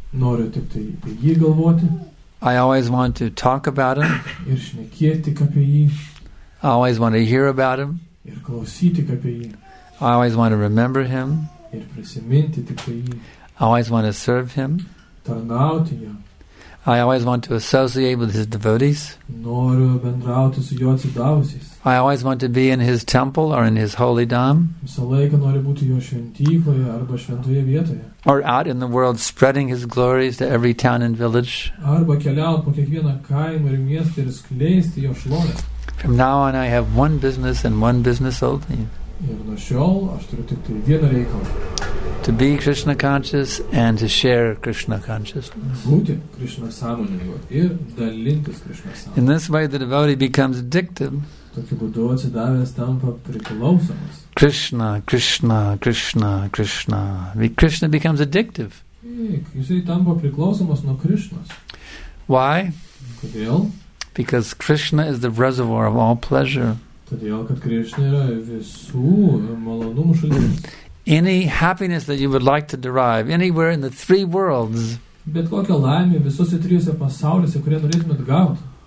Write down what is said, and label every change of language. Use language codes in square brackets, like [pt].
[lt] Noriu tik tai apie jį galvoti. [en] I always want to talk about him. [lt] Ir šnekėti apie jį. [en] I always want to hear about him. [lt] Ir klausyti apie jį. [en] I always want to remember him. [lt] Ir prisiminti tik tai jį. [en] I always want to serve him. [lt] Tarnauti jam. [en] I always want to associate with his devotees. [lt] Noriu bendrauti su jo atsidavusiais. [en] I always want to be in his temple or in his holy dham. [lt] Visą laiką noriu būti jo šventykloje arba šventoje vietoje. [en] Or out in the world spreading his glories to every town and village. [lt] Arba keliaut po kiekvieną kaimą ir miestą ir skleisti jo šlovę. [en] From now on I have one business and one business only. [lt] Ir nuo šiol aš turiu tik tai vieną reikalą. [en] To be Krishna conscious and to share Krishna consciousness. [lt] Būti Krishna sąmoningu ir dalintis Krishna sąmoningu. [en] In this way the devotee becomes addicted. [lt] Tokiu būdu atsidavęs tampa priklausomas. [en] Krishna, Krishna, Krishna, Krishna. Krishna becomes addictive. [lt] Jisai tampa priklausomas nuo Krishnas. [en] Why? [lt] Kodėl? [en] Because Krishna is the reservoir of all pleasure. [lt] Todėl, kad Krishna yra visų malonumų šaltinis. [en] Any happiness that you would like to derive anywhere in the three worlds, [lt] bet kokia laimė visose trijose pasauliuose, kurie norėtumėt gauti,